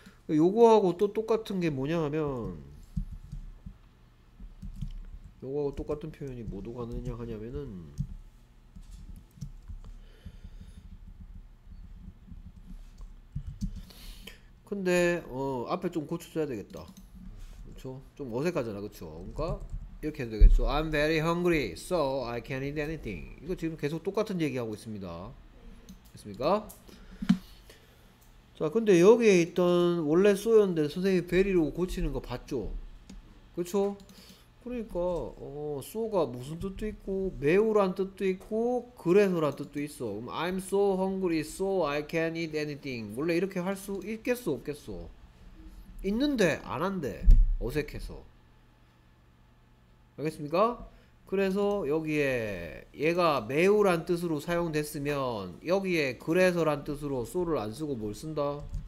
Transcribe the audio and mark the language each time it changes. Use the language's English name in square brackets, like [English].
[Korean] 요거하고 또 똑같은 게 뭐냐 하면 요거하고 똑같은 표현이 뭐도 가능하냐 하냐면은 근데 앞에 좀 고쳐줘야 되겠다. 그렇죠? 좀 어색하잖아, 그렇죠? 그러니까 이렇게 해도 되겠죠. [English] I'm very hungry, so I can eat anything. [Korean] 이거 지금 계속 똑같은 얘기하고 있습니다. 됐습니까? 자, 근데 여기에 있던 원래 쏘였는데 선생님이 very로 고치는 거 봤죠? 그렇죠? 그러니까 so가 무슨 뜻도 있고 매우란 뜻도 있고 그래서란 뜻도 있어. [English] 그럼 I'm so hungry, so I can eat anything. [Korean] 원래 이렇게 할수 있겠어, 없겠어? 있는데 안 한대. 어색해서. 알겠습니까? 그래서 여기에 얘가 매우란 뜻으로 사용됐으면 여기에 그래서란 뜻으로 so를 안 쓰고 뭘 쓴다?